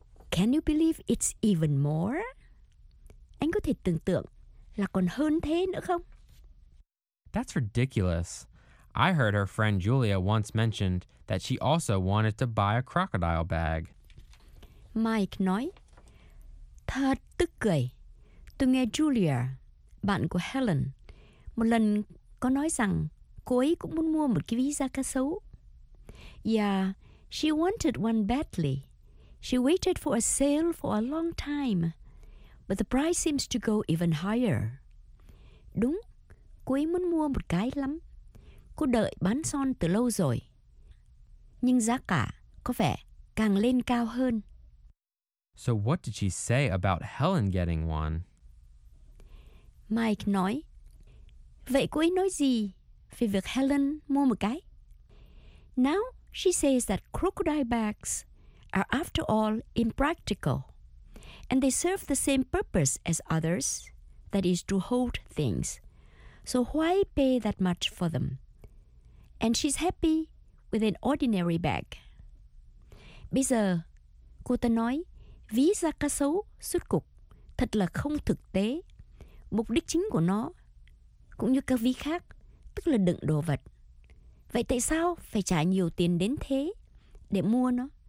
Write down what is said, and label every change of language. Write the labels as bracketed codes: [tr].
[en] Can you believe it's even more? [vi] Anh có thể tưởng tượng là còn hơn thế nữa không? [en] That's ridiculous. I heard her friend Julia once mentioned that she also wanted to buy a crocodile bag. [vi] Mike nói, thật tức cười. Tôi nghe Julia, bạn của Helen, một lần có nói rằng cô ấy cũng muốn mua một cái ví da cá sấu. [en] Yeah, she wanted one badly. She waited for a sale for a long time. But the price seems to go even higher. [vi] Đúng, cô ấy muốn mua một cái lắm. Cô đợi bán son từ lâu rồi. Nhưng giá cả có vẻ càng lên cao hơn. [en] So what did she say about Helen getting one? [vi] Mike nói, vậy cô ấy nói gì về việc Helen mua một cái? [en] Now she says that crocodile bags are after all impractical. And they serve the same purpose as others, that is to hold things. So why pay that much for them? And she's happy with an ordinary bag. [vi] Bây giờ, cô ta nói, ví da cá sấu, suốt cục, thật là không thực tế. Mục đích chính của nó, cũng như các ví khác, tức là đựng đồ vật. Vậy tại sao phải trả nhiều tiền đến thế để mua nó?